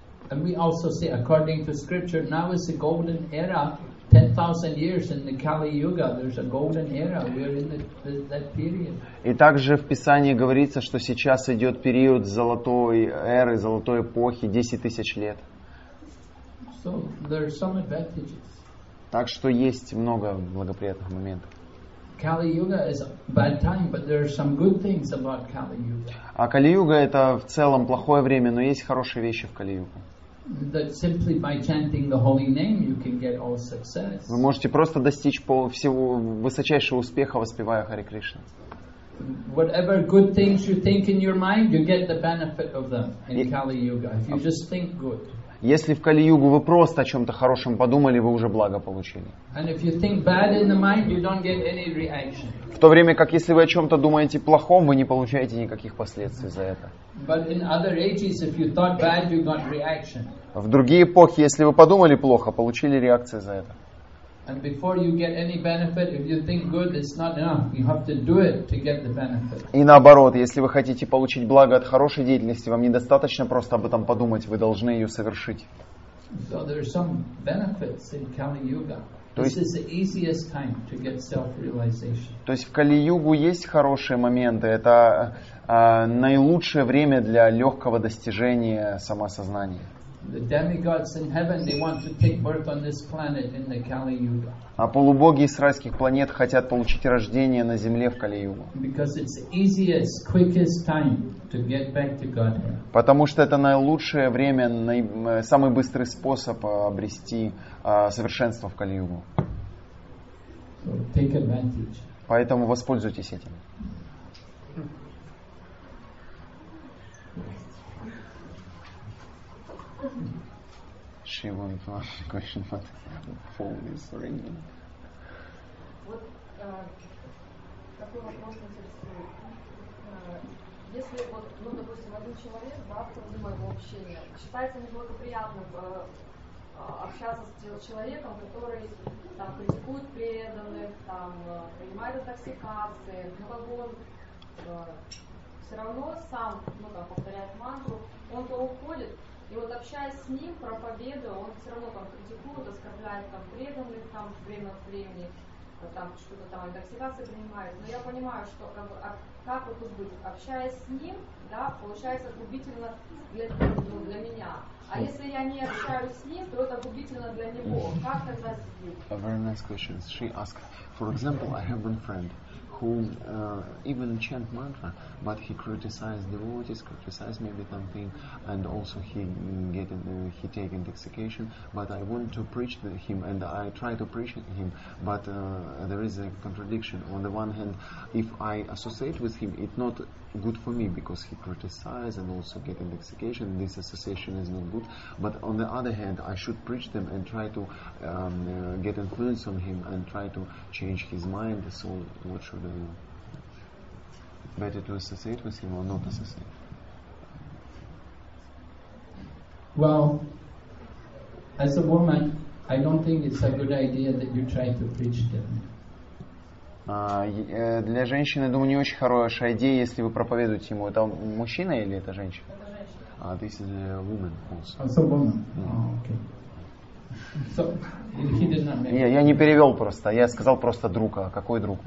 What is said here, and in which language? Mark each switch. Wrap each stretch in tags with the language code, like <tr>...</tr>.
<en>And we also say, according to scripture, now is the golden era. 10,000 years in the Kali Yuga, there's a golden era. We are in that period.</en> <ru>И также в Писании говорится, что сейчас идет период золотой эры, золотой эпохи, 10,000 лет.</ru> <en>So there are some advantages.</en> <ru>Так что есть много благоприятных моментов.</ru> <en>Kali Yuga is a bad time, but there are some good things about Kali Yuga.</en> <ru>А Kali Yuga это в целом плохое время, но есть хорошие вещи в Kali Yuga.</ru> <en>That simply by chanting the holy name you can get all success.</en> <ru>Вы можете просто достичь всего высочайшего успеха, воспевая Харе Кришна.</ru> <en>Whatever good things you think in your mind, you get the benefit of them in Kali Yuga. If you just think good.</en> <ru>Если в Кали-Югу вы просто о чем-то хорошем подумали, вы уже благо получили. В то время как, если вы о чем-то думаете плохом, вы не получаете никаких последствий за это. В другие эпохи, если вы подумали плохо, получили реакции за это.</ru> <en>And before you get any benefit, if you think good, it's not enough. You have to do it to get the benefit.</en> <ru>И наоборот, если вы хотите получить благо от хорошей деятельности, вам недостаточно просто об этом подумать, вы должны ее совершить.</ru> <en>So there are some benefits in Kali Yuga. This is the easiest time to get self-realization.</en> <ru>То есть в Кали-Югу есть хорошие моменты. Это наилучшее время для легкого достижения самосознания.</ru> <en>The demigods in heaven, they want to take birth on this planet in the Kali Yuga.</en> <ru>А полубоги с райских планет хотят получить рождение на Земле в Кали-Югу.</ru> <en>Because it's the easiest, quickest time to get back to Godhead.</en> <ru>Потому что это наилучшее время, самый быстрый способ обрести совершенство в Кали-Югу.</ru> <en>So take advantage.</en> <ru>Поэтому воспользуйтесь этим.</ru> <en>She wants to ask a question, but the phone is ringing.</en> <ru>Вот такой вопрос интересует. Если вот, ну, допустим, один человек, да, в трудное моего общения, считается неблагоприятным общаться с человеком, который там критикует преданных, там принимает интоксикации, глагол, все равно сам, ну там, повторяет мантру, он то уходит. И вот общаясь с ним, проповедуя, он все равно там критикует, оскорбляет там преданных там время от времени, там что-то там интоксикации принимает. Но я понимаю, что как бы, как вот тут быть, общаясь с ним, да, получается губительно для меня. А если я не общаюсь с ним, то это губительно для него. Как тогда с ним?</ru> <en>A very nice question. She asked, for example, I have one friend who even chant mantra, but he criticized devotees, criticized maybe something, and also he take intoxication. But I want to preach to him, and I try to preach to him, but there is a contradiction. On the one hand, if I associate with him, it's not good for me, because he criticized and also get intoxication. This association is not good. But on the other hand, I should preach them and try to get influence on him and try to change his mind. So what should I do? Better to associate with him or not associate? Well, as a woman, I don't think it's a good idea that you try to preach them.</en> <ru>Для женщины, думаю, не очень хорошая идея, если вы проповедуете ему. Это мужчина или это женщина? Это женщина.</ru> <en>This is a woman also. It's a woman. Okay. So, he did not make...</en> <ru>Я не перевел просто. Я сказал просто друг. А какой друг?</ru>